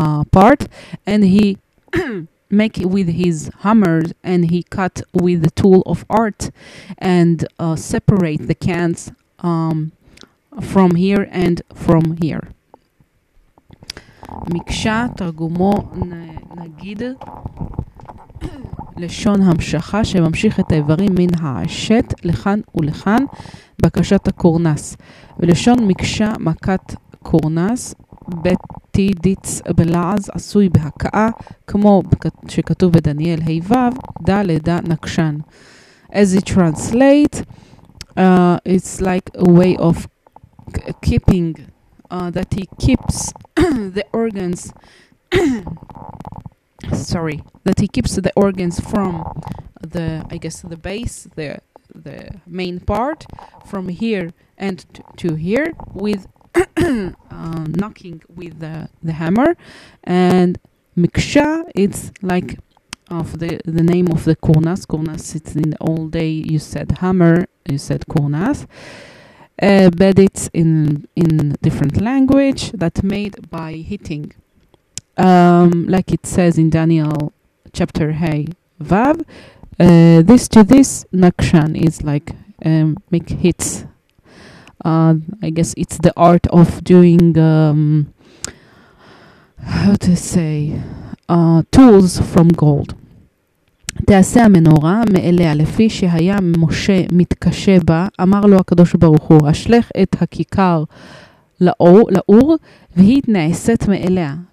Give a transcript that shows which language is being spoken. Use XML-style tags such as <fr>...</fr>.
<en>part and he make it with his hammers and he cut with the tool of art and separate the cans from here and from here.</en> <he>מקשה תרגומו נגיד לשון המשכה שממשיך את האיברים מן העשת לכאן ולכאן בקשת הקורנס ולשון מקשה מכת קורנס בתידיץ בלעז עשוי בהקאה כמו שכתוב בדניאל היוו דה לדה נקשן.</he> <en>As it translate, it's like a way of keeping that he keeps the organs sorry that he keeps the organs from the I guess the base the main part from here and to here with knocking with the hammer and miksha it's like of the name of the kornas it's in the old day you said hammer you said kornas bed it in different language that made by hitting like it says in Daniel chapter hey vav this to this nakshan is like make hits I guess it's the art of doing how to say tools from gold.</en> <he>תעשה המנורה מאליה לפי שהיה משה מתקשה בה, אמר לו הקדוש ברוך הוא, אשלך את הכיכר לאור, והיא נעשית מאליה.</he>